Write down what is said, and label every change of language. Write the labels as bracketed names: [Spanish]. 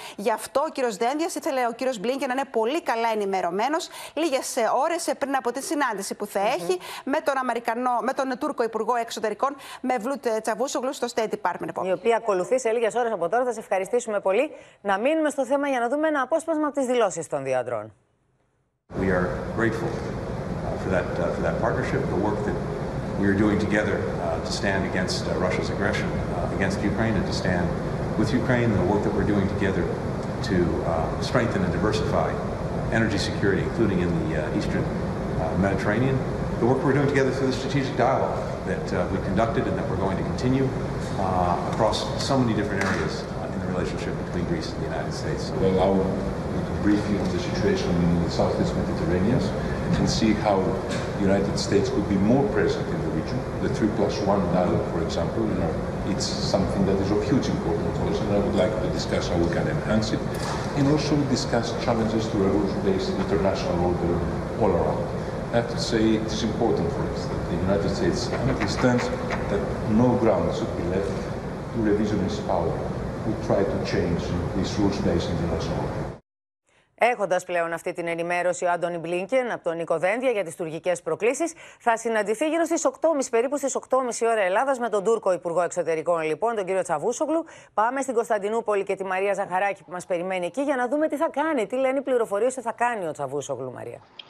[Greek] Γι' αυτό ο κύριος Δένδιας ήθελε ο κύριος Μπλίνκεν να είναι πολύ καλά ενημερωμένος λίγες ώρες πριν από τη συνάντηση που θα έχει με τον Αμερικανό, με τον Τούρκο Υπουργό Εξωτερικών, Μεβλούτ Τσαβούσογλου, στο State Department. Η οποία ακολουθεί σε λίγες ώρες από τώρα. Θα σε ευχαριστήσουμε πολύ. Να μείνουμε στο θέμα για να δούμε ένα απόσπασμα από τις δηλώσεις των δύο αντρών. [English] We are grateful for that partnership, the work that we are doing together to stand against Russia's aggression against Ukraine and to stand with Ukraine, the work that we're doing together to strengthen and diversify energy security, including in the Eastern Mediterranean. The work we're doing together through the strategic dialogue that we conducted and that we're going to continue across so many different areas in the relationship between Greece and the United States. Well, I will brief you on the situation in the Southeast Mediterranean and see how the United States could be more present in the region. The 3+1 dialogue, for example, you know, it's something that is of huge importance also, and I would like to discuss how we can enhance it. And also discuss challenges to a rules-based international order all around. I have to say it is important for us that the United States understands that no ground should be left to revisionist power who try to change this rules-based international order. [Greek] Έχοντας πλέον αυτή την ενημέρωση ο Άντωνι Μπλίνκεν από τον Νίκο Δένδια για τις τουρκικές προκλήσεις, θα συναντηθεί γύρω στις 8.30, περίπου στις 8.30 ώρα Ελλάδας με τον Τούρκο Υπουργό Εξωτερικών, λοιπόν, τον κύριο Τσαβούσογλου. Πάμε στην Κωνσταντινούπολη και τη Μαρία Ζαχαράκη που μας περιμένει εκεί για να δούμε τι θα κάνει, τι λένε οι πληροφορίες ότι θα κάνει ο Τσαβούσογλου, Μαρία.